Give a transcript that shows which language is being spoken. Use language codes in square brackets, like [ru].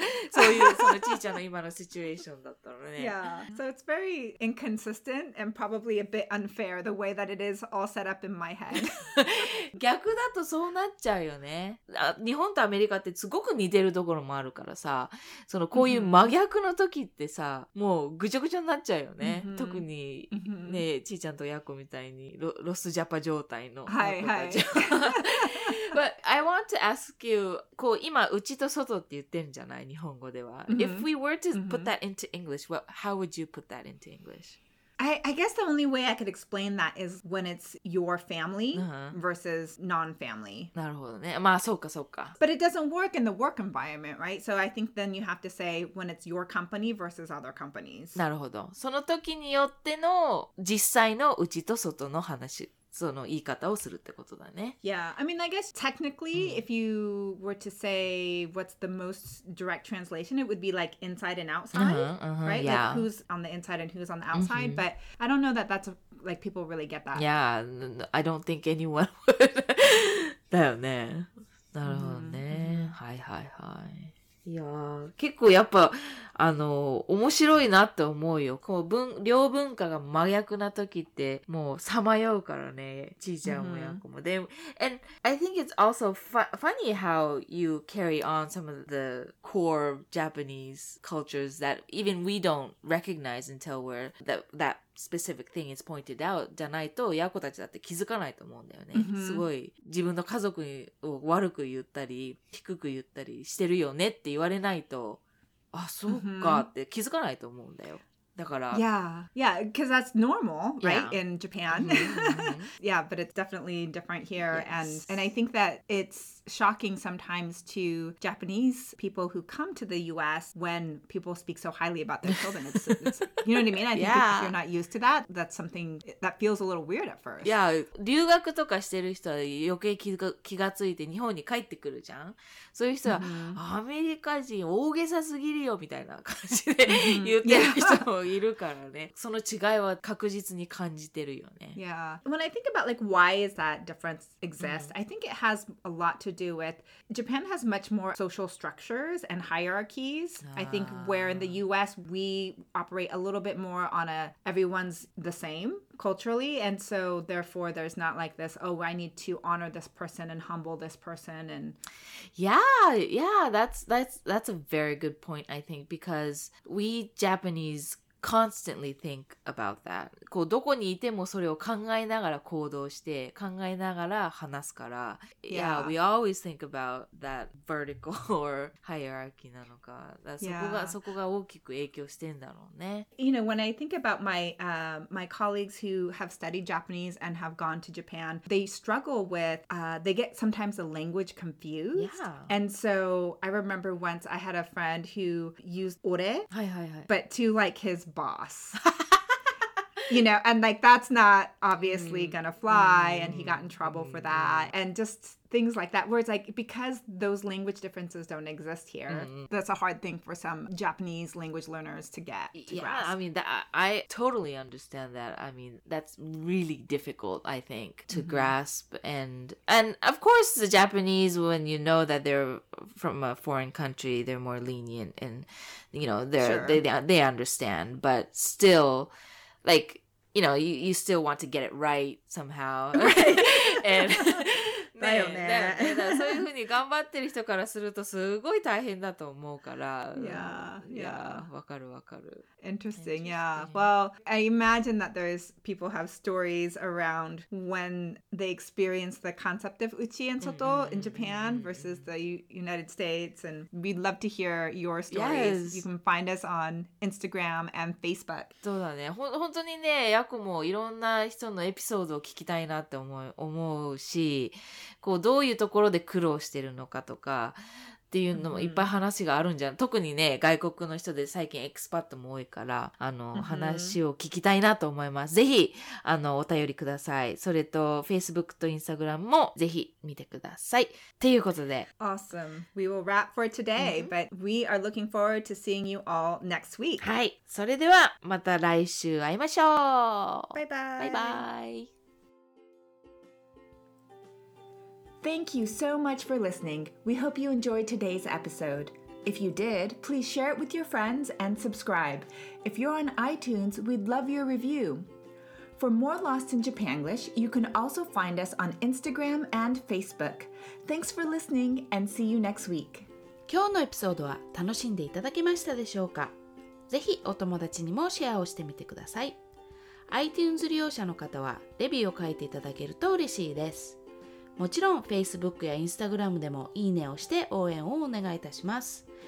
[ja] そういう、そのちーちゃんの今のシチュエーションだったらね。 [en] Yeah. So it's very inconsistent and probably a bit unfair the way that it is all set up in my head. [ja] 逆だとそうなっちゃうよね。日本とアメリカってすごく似てるところもあるからさ、そのこういう真逆の時ってさ、mm-hmm. もうぐちゃぐちゃになっちゃうよね。 Mm-hmm. 特に、ね、mm-hmm. ちーちゃんとヤコみたいに ロスジャパ状態の子たち。 [en] But I want to ask you, [ja] こう今うちと外って言ってるんじゃない日本語では。Mm-hmm. [en] If we were to put that into English, how would you put that into English? I guess the only way I could explain that is when it's your family versus non-family. [ja] なるほどね。まあそうかそうか。 [en] But it doesn't work in the work environment, right? So I think then you have to say when it's your company versus other companies. [ja] なるほど。その時によっての実際のうちと外の話。その言い方をするってことだね。 [en] Yeah, I mean, I guess technically,、mm-hmm. if you were to say what's the most direct translation, it would be like inside and outside, uh-huh, uh-huh, right? Yeah. Like who's on the inside and who's on the outside,、mm-hmm. but I don't know that that's, like, people really get that. Yeah, I don't think anyone would. [ja] だよね。なるほどね。はいはいはい。いや結構やっぱ、面白いなって思うよ。こう、両文化が真逆な時って、もう、さまようからね。ちーちゃんもやこも。Mm-hmm. [en] And I think it's also funny how you carry on some of the core Japanese cultures that even we don't recognize until that specific thing is pointed out [ja] じゃないと、やこたちだって気づかないと思うんだよね。 Mm-hmm. すごい、自分の家族を悪く言ったり、低く言ったりしてるよねって言われないと、あ、そうかって気づかないと思うんだよ。だから。 [en] Yeah, yeah, because that's normal, right, in Japan. yeah, but it's definitely different here. Yes. And I think that it's shocking sometimes to Japanese people who come to the US when people speak so highly about their children. It's, you know what I mean? I think yeah. if you're not used to that, that's something that feels a little weird at first. [ja] Yeah, 留学とかしてる人は余計気がついて日本に帰ってくるじゃん。そういう人は、mm-hmm. アメリカ人大げさすぎるよみたいな感じで言ってる人も、mm-hmm. yeah. いるからね。その違いは確実に感じてるよね。 [en] Yeah. When I think about like why is that difference exists,、mm-hmm. I think it has a lot to do with Japan has much more social structures and hierarchies. I think where in the US we operate a little bit more on a everyone's the same culturally, and so therefore there's not like this, oh, I need to honor this person and humble this person. And yeah, that's a very good point, I think, because we Japanese constantly think about that. [ja] こうどこにいてもそれを考えながら行動して、考えながら話すから。 [en] Yeah, we always think about that vertical or hierarchy [ja] なのか。だからそこが大きく影響してんだろうね。 [en] You know, when I think about my, my colleagues who have studied Japanese and have gone to Japan, they struggle with, they get sometimes the language confused. Yeah. And so I remember once I had a friend who used ore, [ja] はいはいはい、 [en] but to like his boss. You know, and like that's not obviously gonna fly, and he got in trouble for that, and just things like that, where it's like, because those language differences don't exist here, that's a hard thing for some Japanese language learners to get, to grasp. I mean, that, I totally understand that. I mean, that's really difficult, I think, to grasp. And of course, the Japanese, when you know that they're from a foreign country, they're more lenient, and, you know, they understand, but still, like, you know, you still want to get it right somehow. Right. And... [ja] だよね。だからそういうふうに頑張ってる人からするとすごい大変だと思うから。 [en] Yeah, yeah. [ja] わかるわかる。 [en] Interesting, yeah. Well, I imagine that there's people have stories around when they experience the concept of uchi and soto in Japan versus the United States, and we'd love to hear your stories. Yes. You can find us on Instagram and Facebook. [ja] そうだね。本当にね、ヤコもいろんな人のエピソードを聞きたいなって思うし、こうどういうところで苦労してるのかとか、っていうのもいっぱい話があるんじゃん。特にね、外国の人で最近エクスパットも多いから、話を聞きたいなと思います。ぜひ、お便りください。それと、Facebook と Instagram もぜひ見てください。っていうことで。 [en] Awesome. We will wrap for today, but we are looking forward to seeing you all next week. [ja] はい。それでは、また来週会いましょう。バイバイ。バイバイ。 [en] Thank you so much for listening. We hope you enjoyed today's episode. If you did, please share it with your friends and subscribe. If you're on iTunes, we'd love your review. For more Lost in Japanglish, you can also find us on Instagram and Facebook. Thanks for listening and see you next week. [ja] 今日のエピソードは楽しんでいただけましたでしょうか？ぜひお友達にもシェアをしてみてください。 iTunes 利用者の方はレビューを書いていただけると嬉しいです。もちろん Facebook や Instagram でもいいねをして応援をお願いいたします。